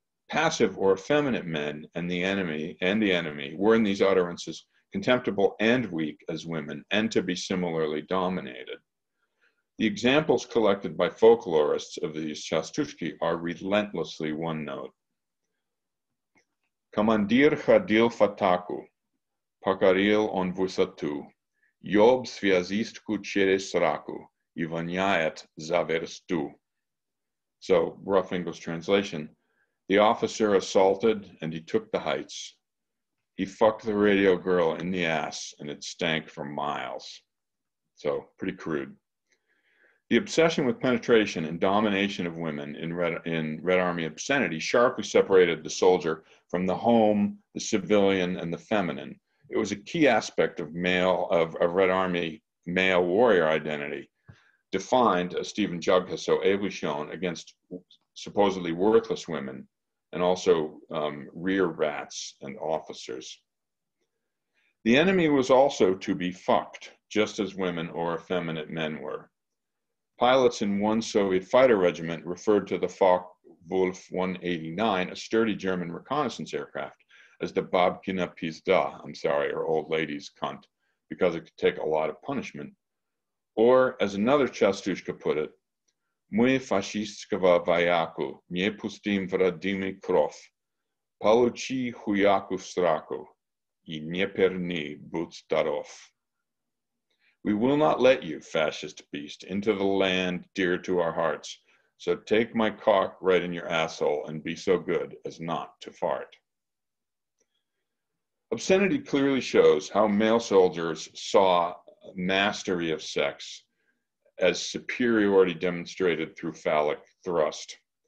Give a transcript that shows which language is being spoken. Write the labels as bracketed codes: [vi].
[en] Passive or effeminate men and the enemy were in these utterances contemptible and weak as women and to be similarly dominated. The examples collected by folklorists of these chastushki are relentlessly one note. [ru] Командир ходил в атаку, покорил он высоту, ёб связистку через раку, и воняет за версту. [en] So, rough English translation, the officer assaulted and he took the heights. He fucked the radio girl in the ass and it stank for miles. So, pretty crude. The obsession with penetration and domination of women in Red Army obscenity sharply separated the soldier from the home, the civilian, and the feminine. It was a key aspect of Red Army male warrior identity, defined, as Stephen Jug has so ably shown, against supposedly worthless women and also rear rats and officers. The enemy was also to be fucked, just as women or effeminate men were. Pilots in one Soviet fighter regiment referred to the Focke-Wulf 189, a sturdy German reconnaissance aircraft, as the Babkina Pizda, I'm sorry, or old lady's cunt, because it could take a lot of punishment. Or, as another chastushka put it, [ru] «Мы фашистского вояку не пустим в родимый кров, получи хуяку в сраку, и не перни будь здоров». [en] We will not let you, fascist beast, into the land dear to our hearts. So take my cock right in your asshole and be so good as not to fart. Obscenity clearly shows how male soldiers saw mastery of sex as superiority demonstrated through phallic thrust.